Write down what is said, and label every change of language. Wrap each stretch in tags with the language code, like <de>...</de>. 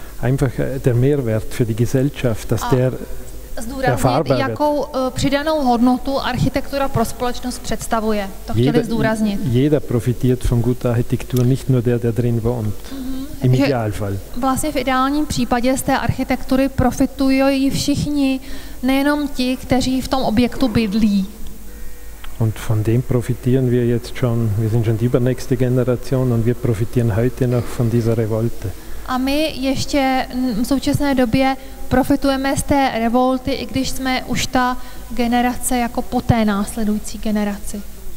<de>Einfach der Mehrwert für die Gesellschaft, dass der erfahrbar wird.</de> <cs>Jakou přidanou hodnotu architektura pro společnost představuje. To chtěli zdůraznit.</cs> <de>Jeder profitiert von guter Architektur, nicht nur der drin wohnt. Im Idealfall.</de> <cs>Vlastně v ideálním případě z té architektury profitují všichni, nejenom ti, kteří v tom objektu bydlí.</cs> <de>Und von dem profitieren wir jetzt schon, wir sind schon die übernächste Generation und wir profitieren heute noch von dieser Revolte.</de> <cs>A my ještě v současné době profitujeme z té revolty, i když jsme už ta generace jako po té následující generaci.</cs>